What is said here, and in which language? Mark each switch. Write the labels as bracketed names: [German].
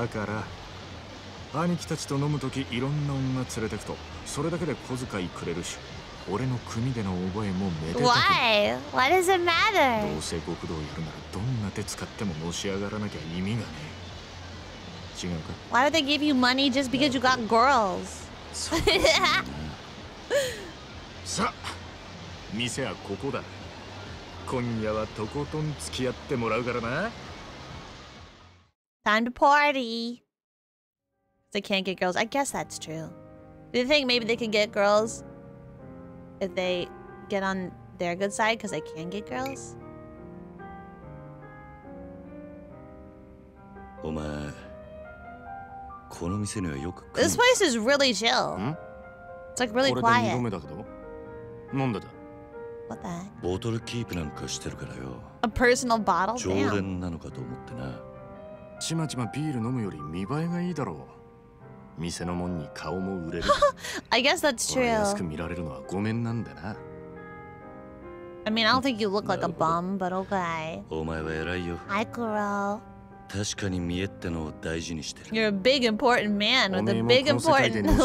[Japanese] だから兄貴たちと飲むときいろんな女連れてくと、それだけで小遣いくれるし、俺の組での覚えもめでたく。 [English] Why? What does it matter? [Japanese] どうせ極道やるならどんな手使ってものし上がらなきゃ意味がねえ。違うか。 [English] Why do they give you money just because you got girls? [Japanese] さ、店はここだ。今夜はとことん付き合ってもらうからな。 [English] Time to party. They can't get girls. I guess that's true. Do you think maybe they can get girls if they get on their good side because they can get girls? [Japanese] お前、この店にはよく来る。 [English] This place is really chill. It's like really quiet. [Japanese] 俺で2度目だけど。なんでだ。 [English] What the heck? [Japanese] ボトルキープなんかしてるからよ。 [English] A personal bottle? [Japanese] 常連なのかと思ってな。ちまちまビール飲むより見栄えがいいだろう。店のもんに顔も売れる。 [English] I guess that's true. [Japanese] 安く見られるのはごめんなんだな。 [English] I mean, I don't think you look like a bum, but okay. [Japanese] お前は偉いよ。 [English] Hi, girl. [Japanese] 確かに見栄ってのを大事にしてる。 [English] You're a big important man with a big important.